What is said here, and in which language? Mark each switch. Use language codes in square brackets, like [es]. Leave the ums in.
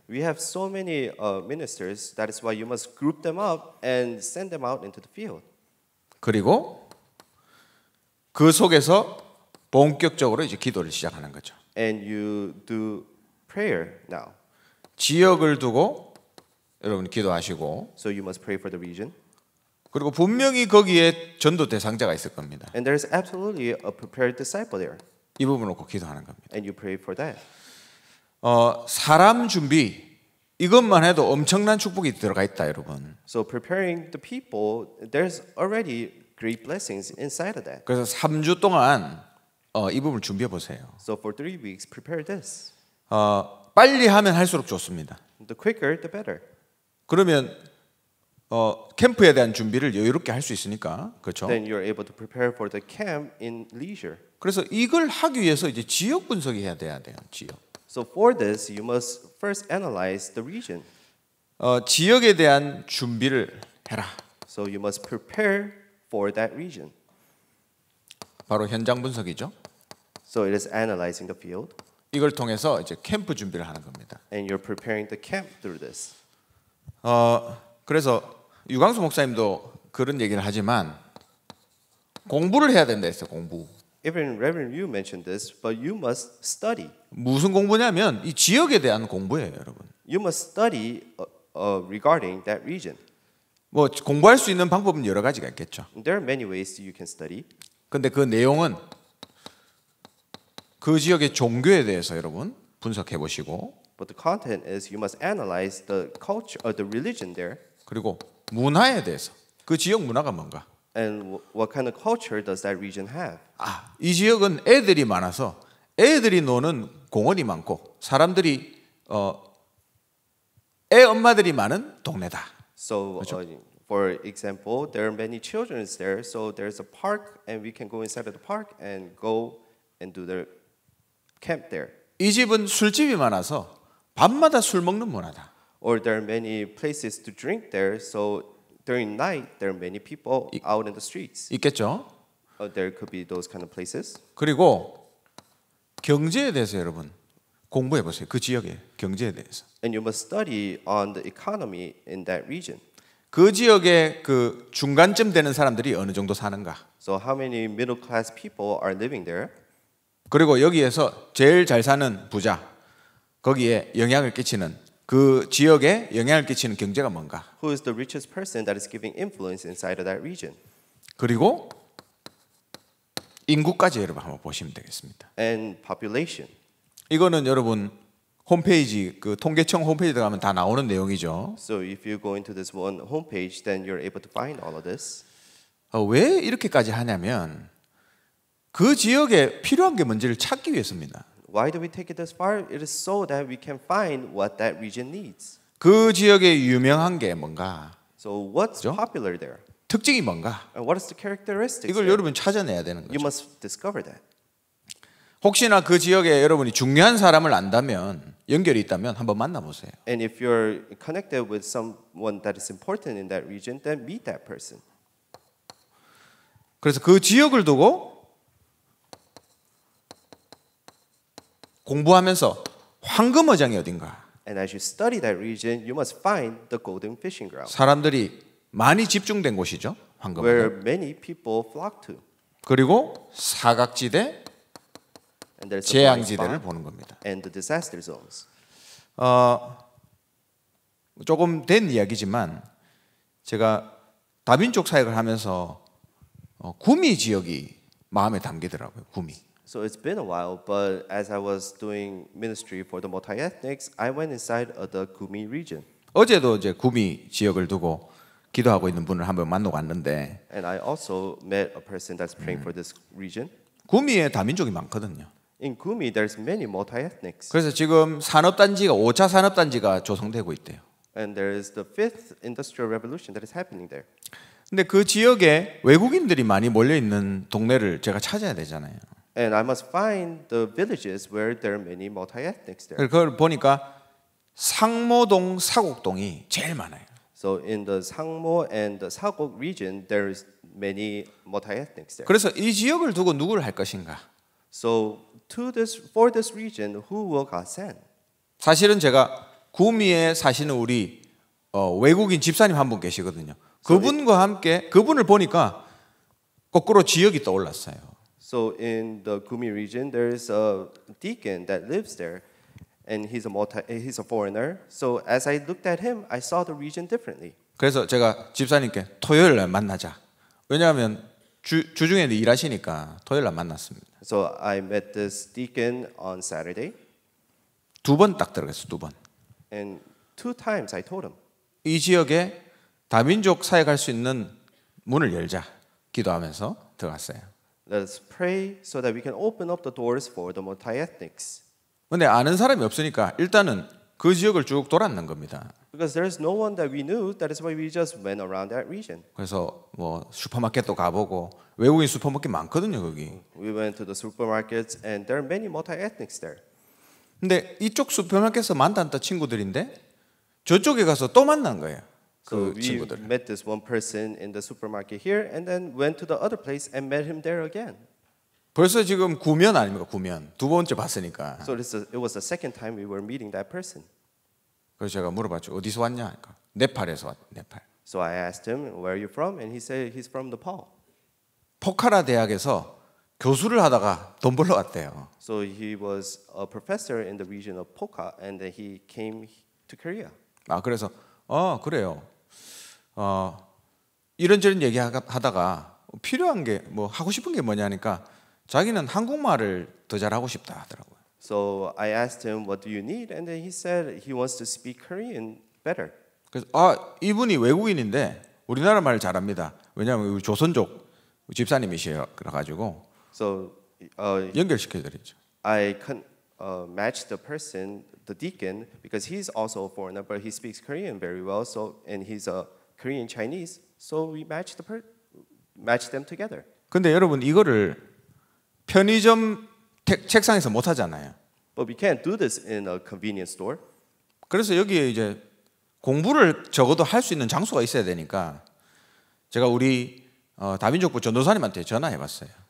[en] We have so many uh, ministers. That is why you must group them up and send them out into the field. [ko] 그리고 그 속에서 본격적으로 이제 기도를 시작하는 거죠. [en] And you do prayer now. [ko] 지역을 두고 여러분 기도하시고 [en] so you must pray for the region. [ko] 그리고 분명히 거기에 전도 대상자가 있을 겁니다. [en] And there is absolutely a prepared disciple there. [ko] 이 부분을 꼭 기도하는 겁니다. [en] And you pray for that. [ko] 어, 사람 준비 이것만 해도 엄청난 축복이 들어가 있다 여러분. [en] So preparing the people, there's already great blessings inside of that. [ko] 그래서 3주 동안 어, 이 부분을 준비해 보세요. [en] So for three weeks, prepare this. [ko] 어, 빨리 하면 할수록 좋습니다. [en] The quicker, the better. [ko] 그러면 어, 캠프에 대한 준비를 여유롭게 할 수 있으니까 그렇죠. [en] Then you're able to prepare for the camp in leisure. [ko] 그래서 이걸 하기 위해서 이제 지역 분석이 해야 돼야 돼요 지역. [en] So for this, you must first analyze the region. [ko] 어, 지역에 대한 준비를 해라. [en] So you must prepare for that region. [ko] 바로 현장 분석이죠. [en] So it is analyzing the field. [ko] 이걸 통해서 이제 캠프 준비를 하는 겁니다. [en] And you're preparing the camp through this. [ko] 어, 그래서 유광수 목사님도 그런 얘기를 하지만 공부를 해야 된다 했어요. 공부. [en] Even Reverend Yu mentioned this, but you must study. [ko] 무슨 공부냐면 이 지역에 대한 공부예요, 여러분. [en] You must study uh, uh, regarding that region. [ko] 뭐 공부할 수 있는 방법은 여러 가지가 있겠죠. [en] There are many ways you can study. [ko] 근데 그 내용은 그 지역의 종교에 대해서 여러분 분석해 보시고 [en] But the content is you must analyze the culture or the religion there. [ko] 그리고 문화에 대해서 그 지역 문화가 뭔가? [en] And what kind of culture does that region have? [ko] 아, 이 지역은 애들이 많아서 애들이 노는 공원이 많고 사람들이 어 애 엄마들이 많은 동네다. [en] So [ko] 그렇죠? [en] uh, for example, there are many children there, so there's a park, and we can go inside of the park and go and do the camp there. [ko] 이 집은 술집이 많아서 밤마다 술 먹는 문화다. [en] Or there are many places to drink there, so during night there are many people 이, out in the streets. [ko] 있겠죠? [en] Uh, there could be those kind of places. [ko] 그리고 경제에 대해서 여러분 공부해 보세요. 그 지역의 경제에 대해서. [en] And you must study on the economy in that region. [ko] 그 지역의 그 중간쯤 되는 사람들이 어느 정도 사는가? [en] So how many middle class people are living there? [ko] 그리고 여기에서 제일 잘 사는 부자 거기에 영향을 끼치는 그 지역에 영향을 끼치는 경제가 뭔가? [en] Who is the richest person that is giving influence inside of that region? [ko] 그리고 인구까지 여러분 한번 보시면 되겠습니다. [en] And population. [ko] 이거는 여러분 홈페이지 그 통계청 홈페이지 들어가면 다 나오는 내용이죠. [en] So if you go into this one homepage, then you're able to find all of this. [ko] 어, 왜 이렇게까지 하냐면 그 지역에 필요한 게 뭔지를 찾기 위해서입니다. [en] Why do we take it this far? It is so that we can find what that region needs. [ko] 그 지역의 유명한 게 뭔가. [en] So what's [ko] 그죠? [en] popular there? [ko] 특징이 뭔가. [en] And what is the characteristic? [ko] 이걸 [en] there? [ko] 여러분 찾아내야 되는 거죠. [en] You must discover that. [ko] 혹시나 그 지역에 여러분이 중요한 사람을 안다면 연결이 있다면 한번 만나보세요. [en] And if you're connected with someone that is important in that region, then meet that person. [ko] 그래서 그 지역을 두고 공부하면서 황금 어장이 어딘가. [en] And as you study that region, you must find the golden fishing ground. [ko] 사람들이 많이 집중된 곳이죠, 황금. [en] Where many people flock to. [ko] 그리고 사각지대 재앙지대를 보는 겁니다. [en] And the disaster zones. [ko] 어, 조금 된 이야기지만 제가 다민족 사역을 하면서 어, 구미 지역이 마음에 담기더라고요. 구미. [en] So it's been a while, but as I was doing ministry for the multi-ethnics, I went inside of the Gumi region. [ko] 어제도 이제 구미 지역을 두고 기도하고 있는 분을 한번 만나고 왔는데. [en] And I also met a person that's praying 음. for this region. [ko] 구미에 다민족이 많거든요. [en] In Gumi, there's many multi-ethnics. [ko] 그래서 지금 산업단지가 5차 산업단지가 조성되고 있대요. [en] And there is the fifth industrial revolution that is happening there. [ko] 근데 그 지역에 외국인들이 많이 몰려 있는 동네를 제가 찾아야 되잖아요. [en] And I must find the villages where there are many multi-ethnics there. [ko] 그걸 보니까 상모동, 사곡동이 제일 많아요. [en] So in the Sangmo and the Sagok region, there is many multi-ethnics there. [ko] 그래서 이 지역을 두고 누구를 할 것인가? [en] So to this for this region who will God send? [ko] 사실은 제가 구미에 사시는 우리 어, 외국인 집사님 한 분 계시거든요. 그분과 함께 그분을 보니까 거꾸로 지역이 떠올랐어요. [en] So in the Gumi region there is a deacon that lives there and he's a multi, he's a foreigner. So as I looked at him I saw the region differently. [ko] 그래서 제가 집사님께 토요일 날 만나자. 왜냐면 하주 주중에 일하시니까 토요일 날 만났습니다. [en] So I met this deacon on Saturday. [ko] 두 번 딱 들어갔어 두 번. [en] And two times I told him. [ko] 이 지역에 다민족 사역할 수 있는 문을 열자 기도하면서 들어갔어요. [en] Let's pray so that we can open up the doors for the multi-ethnics. [ko] 근데 아는 사람이 없으니까 일단은 그 지역을 쭉 돌았는 겁니다. [en] Because there's no one that we knew, that is why we just went around that region. [ko] 그래서 뭐 슈퍼마켓도 가보고 외국인 슈퍼마켓 많거든요 거기. [en] We went to the supermarkets and there are many multi-ethnic there. [ko] 근데 이쪽 슈퍼마켓에서 만났던 친구들인데 저쪽에 가서 또 만난 거예요. 그 [en] so we [ko] 친구들. [en] met this one person in the supermarket here and then went to the other place and met him there again. [ko] 벌써 지금 구면 아닙니까? 구면. 두 번째 봤으니까. [en] So it was the second time we were meeting that person. [ko] 그래서 제가 물어봤죠. 어디서 왔냐? 그러니까 네팔에서 왔 네팔. [en] So I asked him where are you from and he said he's from Nepal. [ko] 포카라 대학에서 교수를 하다가 돈 벌러 왔대요. [en] So he was a professor in the region of Pokha and then he came to Korea. [ko] 아 그래서 어 아, 그래요. 어 이런저런 얘기하다가 필요한 게 뭐 하고 싶은 게 뭐냐니까 하 자기는 한국말을 더 잘하고 싶다 하더라고요. [en] So I asked him what do you need and then he said he wants to speak Korean better. [ko] 그래서 아, 이분이 외국인인데 우리나라 말을 잘합니다. 왜냐면 우리 조선족 집사님이시에요. 그래 가지고 [en] So [ko] uh, 연결시켜 드리죠. [en] I can uh, match the person the deacon because he's also a foreigner but he speaks Korean very well so and he's a Korean Chinese so we match the per- match them together. [ko] 근데 여러분 이거를 편의점 책, 책상에서 못 하잖아요. [en] But we can't do this in a convenience store. [ko] 그래서 여기에 이제 공부를 적어도 할 수 있는 장소가 있어야 되니까 제가 우리 어, 다민족부 전도사님한테 전화해봤어요.